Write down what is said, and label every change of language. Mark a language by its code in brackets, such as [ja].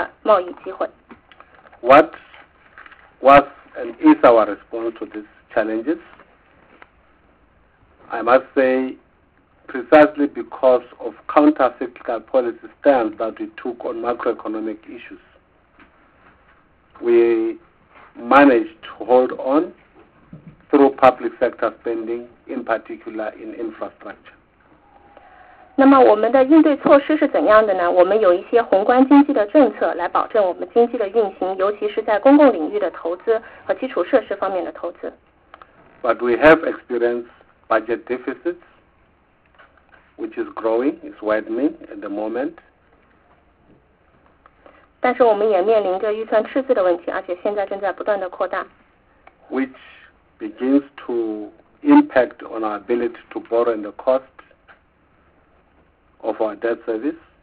[zh] 但是这一次金融危机也给我们一个教训，就是说我们应该意识到整个非洲大陆对于我们是一个机会，非洲大陆的崛起给了我们新的贸易机会。 [en] What was and is our response to these challenges? I must say precisely because of counter-cyclical policy stance that we took on macroeconomic issues. We managed to hold on through through public sector spending, in particular in infrastructure. [zh] 那么我们的应对措施是怎样的呢？我们有一些宏观经济的政策来保证我们经济的运行，尤其是在公共领域的投资和基础设施方面的投资。 [en] But we have experienced budget deficits, which is growing, is widening at the moment. [zh] 但是我们也面临着预算赤字的问题，而且现在正在不断的扩大。 [en] Which begins to impact on our ability to borrow and the cost of our debt service.